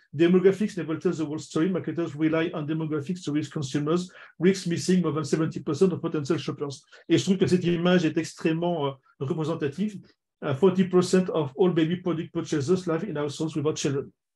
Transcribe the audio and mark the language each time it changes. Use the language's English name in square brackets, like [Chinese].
[English] Demographics never tell the whole story. Marketers rely on demographics to reach consumers. Risk missing more than 70% of potential shoppers. [French] Et je trouve que cette image est extrêmement représentative. [English] 40% of all baby product purchases live in households without children.